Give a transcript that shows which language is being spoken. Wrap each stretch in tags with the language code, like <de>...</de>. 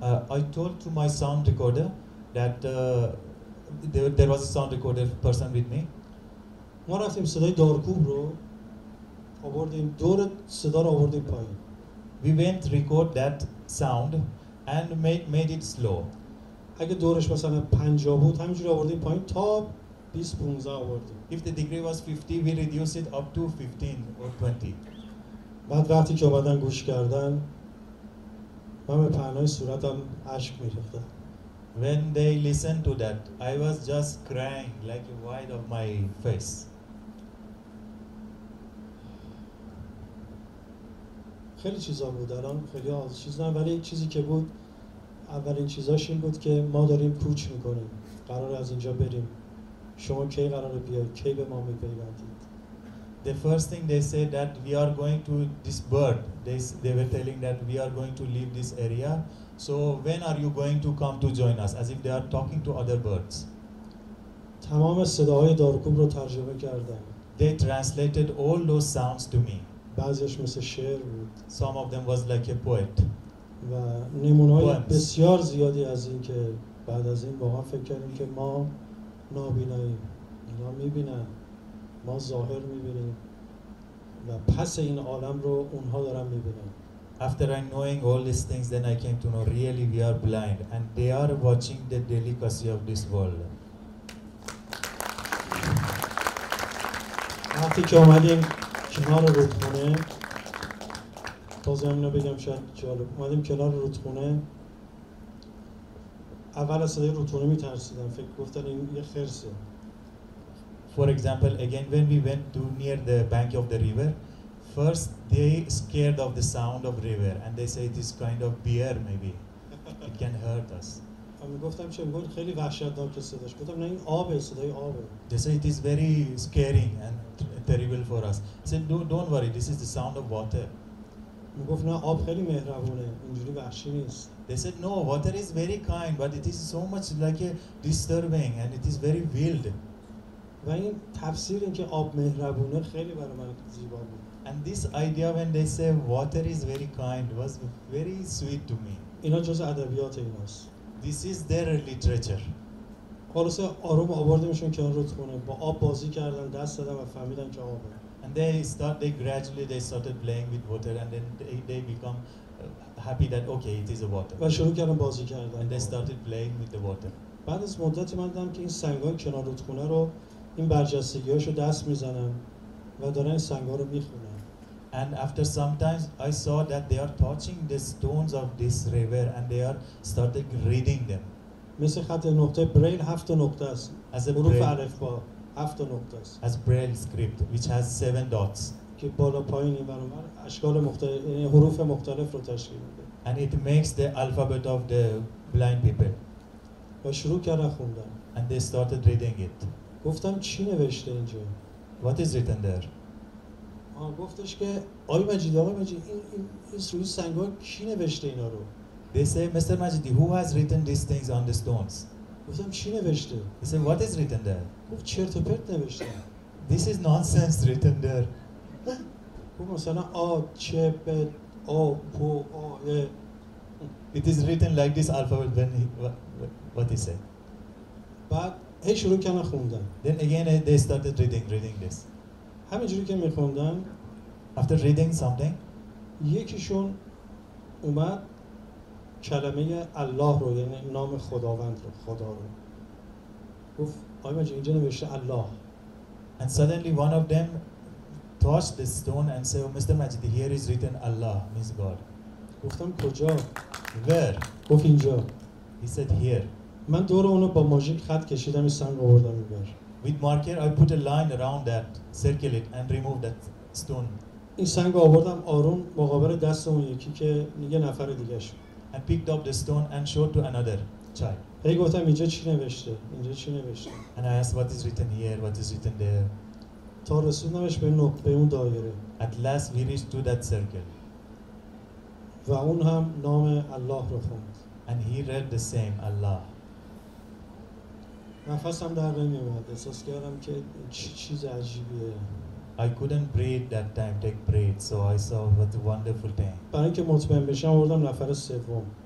<en>I told to my sound recorder that there was a sound recorder person with me.</en> <fa>ما رفتیم صدای دارکوب رو آوردیم دور صدا رو آوردیم پایین.</fa> <en>we went record that sound and made it slow.</en> <fa>اگه دورش مثلا 50 بود همینجوری آوردیم پایین تا 20 15 آوردیم.</fa> <en>If the degree was 50 we reduced it up to 15 or 20.</en> <fa>بعد وقتی که اومدن گوش کردن من به پهنای صورتم اشک می‌ریختم.</fa> <en>When they listened to that, I was just crying like a white of my face.</en> <fa>خیلی چیزا بود الان خیلی از چیزا ولی چیزی که بود اولین چیزاش این بود که ما داریم کوچ میکنیم قرار از اینجا بریم شما کی قرار بیاید کی به ما میپیوندید</fa> <en>The first thing they said that we are going to disband they were telling that we are going to leave this area so when are you going to come to join us as if they are talking to other birds</en> <fa>تمام صداهای دارکوب رو ترجمه کردم</fa> <en>They translated all those sounds to me</en> <fa>بعضیش مثل شعر بود</fa> <en>Some of them was like a poet</en> <fa>و نمونه‌های بسیار زیادی از این که بعد از این واقعا فکر کردیم که ما نابیناییم اینا می‌بینن ما ظاهر می‌بینیم و پس این عالم رو اونها دارن می‌بینن</fa> <en>After I knowing all these things then I came to know really we are blind and they are watching the delicacy of this world</en> <fa>وقتی که اومدیم کنار رودخونه تازه اینو بگم شاید جالب اومدیم کنار رودخونه اول از صدای رودخونه میترسیدم فکر گفتن این یه خرسه</fa> <en>For example again when we went to near the bank of the river first they scared of the sound of river and they say this kind of bear maybe it can hurt us</en> <fa>من گفتم چه بود خیلی وحشتناک صداش گفتم نه این آبه صدای آبه</fa> <en>They say it is very scaring and terrible for us I said don't worry this is the sound of water</en> <fa>من گفت نه آب خیلی مهربونه اینجوری وحشی نیست</fa> <en>They said no water is very kind but it is so much like a disturbing and it is very wild</en> <fa>و این تفسیر این که آب مهربونه خیلی برای من زیبا بود</fa> <en>And this idea when they say water is very kind was very sweet to me</en> <fa>اینا جز ادبیات ایناست</fa> <en>This is their literature</en> <fa>خلاص آروم آوردمشون که رودخونه با آب بازی کردن دست دادن و فهمیدن که آبه</fa> <en>And they started playing with water and then they become happy that okay it is a water</en> <fa>و شروع کردن بازی کردن</fa> <en>and they started playing with the water</en> <fa>بعد از مدتی من دیدم که این سنگای کنار رودخونه رو این برجستگی‌هاشو دست می‌زنن و دارن سنگا رو می‌خونن</fa> <en>and after some times I saw that they are touching the stones of this river and they are started reading them</en> <fa>مثل خط نقطه بریل هفت نقطه است از حروف الفبا هفت نقطه است</fa> <en>as braille script which has 7 dots</en> <fa>که بالا پایین اینور اونور اشکال مختلف یعنی حروف مختلف رو تشکیل میده</fa> <en>and it makes the alphabet of the blind people</en> <fa>و شروع کردن خوندن</fa> <en>and they started reading it</en> <fa>گفتم چی نوشته اینجا</fa> <en>what is written there</en> <fa>آه گفتش که آقای مجید این روی سنگا کی نوشته اینا رو</fa> <en>They say, Mr. Majidi, who has written these things on the stones?</en> <fa>گفتم چی نوشته؟</fa> <en>He said, what is written there?</en> <fa>گفت چرت و پرت نوشته.</fa> <en>This is nonsense written there.</en> <fa>گفت مثلا آ چه ب آ پ آ ی.</fa> <en>It is written like this alphabet. Then what he said?</en> <fa>بعد هی شروع کردن خوندن.</fa> <en>Then again they started reading this.</en> <fa>همینجوری که میخوندن.</fa> <en>After reading something,</en> <fa>یکیشون اومد کلمه الله رو یعنی نام خداوند رو خدا رو گفت آقای مجید اینجا نوشته الله</fa> <en>and suddenly one of them touched the stone and said oh, Mr. Majidi here is written Allah means God</en> <fa>گفتم کجا</fa> <en>where</en> <fa>گفت اینجا</fa> <en>he said here</en> <fa>من دور اونو با ماژیک خط کشیدم این سنگ آوردم این بر</fa> <en>with marker I put a line around that circle it and remove that stone</en> <fa>این سنگ آوردم آروم مقابل دست اون یکی که یه نفر دیگه شد</fa> <en>I picked up the stone and showed to another child.</en> <fa>Hey, گفتم اینجا چی نوشته؟ اینجا چی نوشته؟</fa> <en>And I asked, what is written here? What is written there?</en> <fa>تا رسیدمش به نقطه اون دایره.</fa> <en>At last, we reached to that circle.</en> <fa>و اون هم نام الله رو خوند.</fa> <en>And he read the same, Allah.</en> <fa>نفسم در نمی‌آمد. احساس کردم که چیز عجیبیه.</fa> <en>I couldn't breathe that time, take breath, so I saw what a wonderful thing.</en> <fa>برای اینکه مطمئن بشم آوردم نفر سوم.</fa>